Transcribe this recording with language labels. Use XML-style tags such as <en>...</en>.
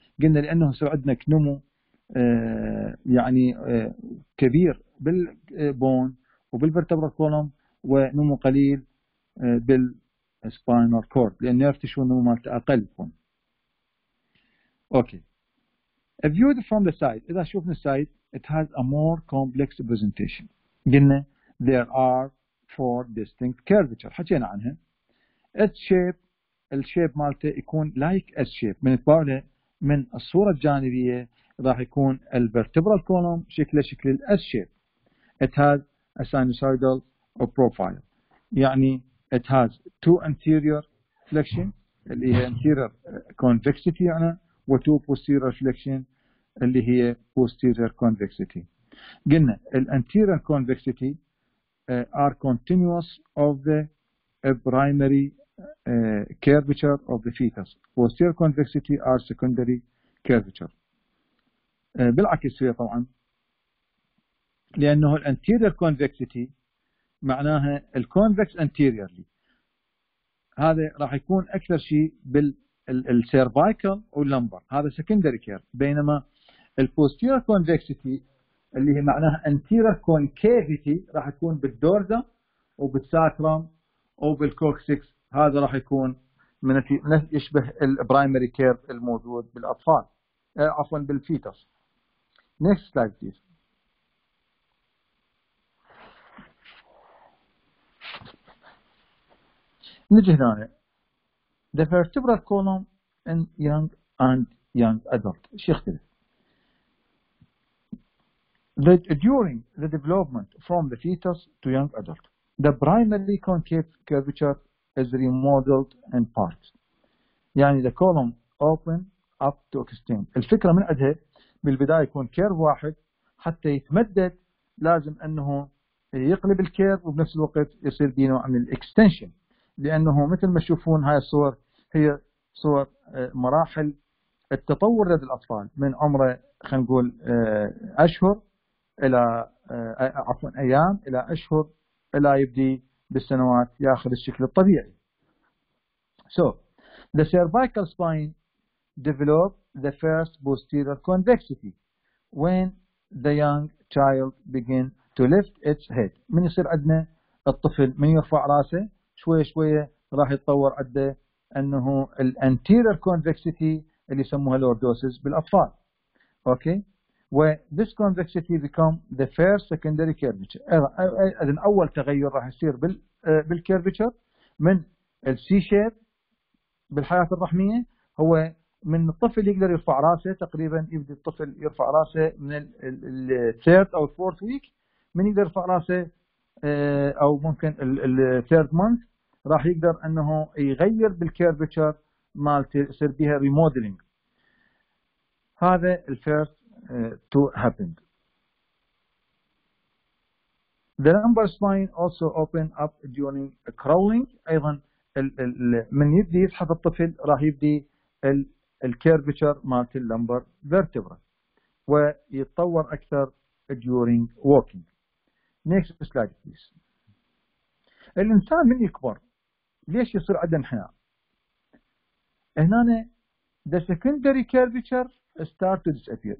<ar>قلنا لأنه سعدنا كنمو يعني كبير بالبون وبالvertebra column ونمو قليل بالspinal cord، لأن نرتشون نمو مالت أقل يكون.</ar> <en>Okay. A view from the side.</en> <ar>إذا شوفنا side.</ar> <en>It has a more complex presentation.</en> <ar>قلنا</ar> <en>there are four distinct curvature.</en> <ar>حكينا عنها.</ar> <en>Its shape, the shape</en> <ar>مالته يكون</ar> <en>like S shape.</en> <ar>من الطبع من الصورة الجانبية راح يكون vertebral column شكله شكل S shape.</ar> <en>It has a sinusoidal profile. يعني it has two anterior flexion اللي هي anterior convexity يعني و two posterior flexion اللي هي posterior convexity.</en> <ar>قلنا</ar> <en>anterior convexity are continuous of the primary curvature of the fetus. Posterior convexity are secondary curvature.</en> <ar>بالعكس هي طبعا لأنه anterior convexity معناها</ar> <en>convex anteriorly.</en> <ar>هذا راح يكون أكثر شيء بالcervical واللمبر.</ar> <en>هذا secondary curve.</en> <ar>بينما البوستيرير كونفكسيتي اللي هي معناها انتيرير كونكافيتي راح يكون بالدورزا وبالساكرام او بالكوكسكس، هذا راح يكون من يشبه البرايمري كير الموجود بالاطفال عفوا بالفيتوس.</ar> <en>Next slide please. نجي هنا the vertebral column in young and young adult.</en> <ar>ايش يختلف؟</ar> <en>That during the development from the fetus to young adult, the primary concave curvature is remodeled in part. يعني the column open up to extend.</en> <ar>الفكرة من عدها بالبداية يكون curve واحد حتى يتمدد، لازم أنه يقلب الكيرف وبنفس الوقت يصير دينه عن extension. لأنه مثل ما تشوفون هاي الصور هي صور مراحل التطور لدى الأطفال من عمر خلينا نقول أشهر إلى عفوا أيام إلى أشهر إلى يبدي بالسنوات ياخذ الشكل الطبيعي.</ar> <en>So the cervical spine develop the first posterior convexity when the young child begin to lift its head.</en> <ar>من يصير عندنا الطفل من يرفع راسه شوي شوي راح يتطور عنده انه ال anterior convexity اللي يسموها lordosis بالاطفال.</ar> <en>Okay. Where this convexity become the first secondary curvature.</en> <ar>اذن اول تغير راح يصير بالكيرفيتشر من السي شيب بالحياة الرحمية هو من الطفل يقدر يرفع راسه تقريبا يبدأ الطفل يرفع راسه من الـ third أو fourth week من يقدر يرفع راسه أو ممكن الـ third month راح يقدر أنه يغير بالكيرفيتشر مال يصير بها remodeling.</ar> <en>هذا الـ first to happen. The lumbar spine also open up during crawling.</en> <ar>أيضا من يبدي يسحب الطفل راح يبدي الكيربيتشر مالت اللمبر فيرتبرا ويتطور أكثر</ar> <en>during walking. Next slide please.</en> <ar>الإنسان من يكبر ليش يصير عنده انحناء؟ هنا</ar> <en>the secondary curvature start to disappear.</en>